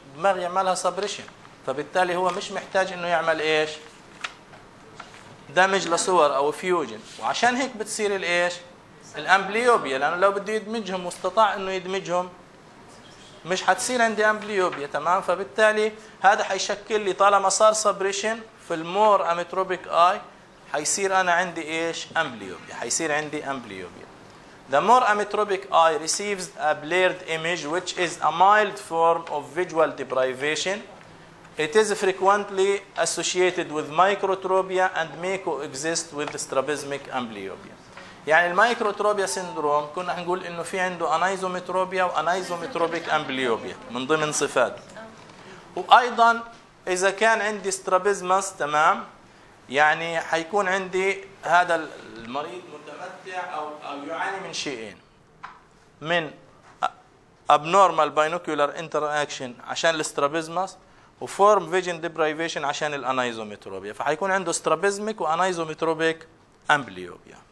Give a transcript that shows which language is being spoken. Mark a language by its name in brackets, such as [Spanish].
[Arabic] الدماغ يعملها سبريشن، فبالتالي هو مش محتاج انه يعمل ايش دامج لصور او فيوجن، وعشان هيك بتصير الايش الامبليوبيا، لانه لو بده يدمجهم واستطاع انه يدمجهم مش حتصير عندي امبليوبيا. تمام، فبالتالي هذا حيشكل لي طالما صار سبريشن في [English] المور اميتروبيك اي [Arabic] حيصير انا عندي ايش امبليوبيا، حيصير عندي امبليوبيا. [English] The more ametropic eye receives a blurred image, which is a mild form of visual deprivation, it is frequently associated with microtropia and may coexist with strabismic amblyopia. [Arabic] يعني الميكروتروبيا سيندروم كنا نقول إنه في عنده anisometropia وanisometropic amblyopia من ضمن صفات. وأيضا إذا كان عندي strabismus تمام، يعني حيكون عندي هذا المريض أو يعاني من شيئين، من [English] abnormal binocular interaction [Arabic] عشان الاسترابيزمس، و [English] form vision deprivation [Arabic] عشان الانايزوميتروبيا، فحيكون عنده استرابيزميك وانايزوميتروبيك امبليوبيا.